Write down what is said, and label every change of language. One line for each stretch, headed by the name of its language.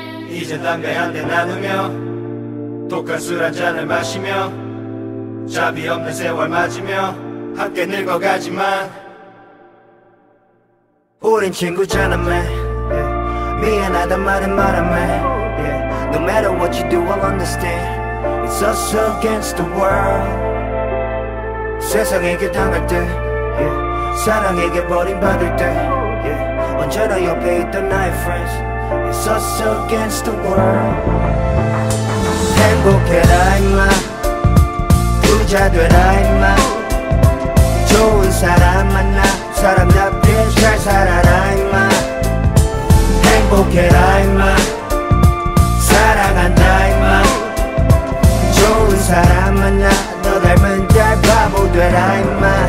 Korean: 이젠 담배 한 대 나누며 독한 술 한 잔을 마시며 자비 없는 세월 맞으며 함께 늙어가지만 우린 친구잖아 man. 미안하단 말은 말아 man.
English: No matter what you do I'll understand. It's us against the world.
Korean: 세상에게 당할 때 사랑에게 버림받을 때 언제나 옆에 있던 나의 friends.
English: It's us against the world.
Korean: 행복해라 임마 부자 되라 임마 좋은 사람 만나 사람답게 잘 살아라 임마. 행복해라 임마 사랑한다 임마 좋은 사람 만나 너 닮은 딸 바보 되라 임마.